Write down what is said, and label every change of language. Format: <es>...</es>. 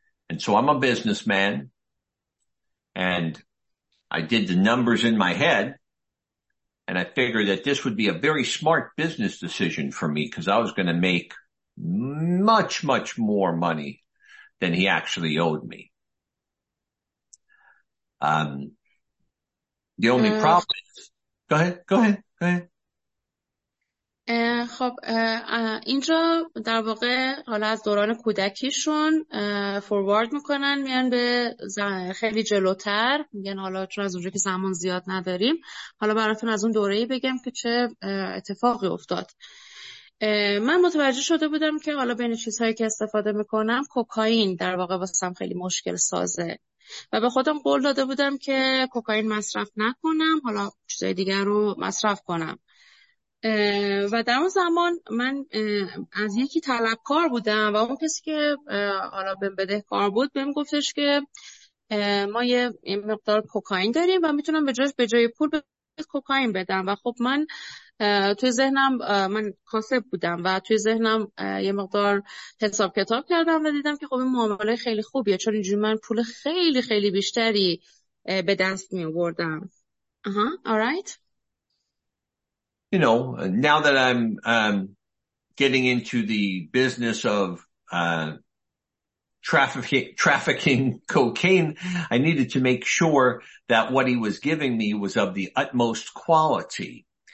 <en>And so I'm a businessman, and I did the numbers in my head, and I figured that this would be a very smart business decision for me because I was going to make much, much more money than he actually owed me. The only problem is, go ahead.</en> <fa>خب اینجا در واقع حالا از دوران کودکیشون فوروارد میکنن میان به خیلی جلوتر میگن حالا چون از اونجا که زمان زیاد نداریم حالا براتون از اون دوره‌ای بگم که چه اتفاقی افتاد. من متوجه شده بودم که حالا بین چیزهایی که استفاده میکنم کوکائین در واقع واسم خیلی مشکل سازه و به خودم قول داده بودم که کوکائین مصرف نکنم، حالا چیزهای دیگر رو مصرف کنم. و در اون زمان من از یکی طلبکار بودم و اون کسی که حالا بهم بدهکار بود بهم گفتش که ما یه مقدار کوکائین داریم و میتونم به جای پول بهت کوکائین بدم. و خب من توی ذهنم، من کاسب بودم و توی ذهنم یه مقدار حساب کتاب کردم و دیدم که خب این معامله خیلی خوبیه، چون اینجوری من پول خیلی خیلی بیشتری به دست می آوردم.</fa> <en>آها، alright. You know, now that I'm getting into the business of trafficking cocaine, I needed to make sure that what he was giving me was of the utmost quality.</en>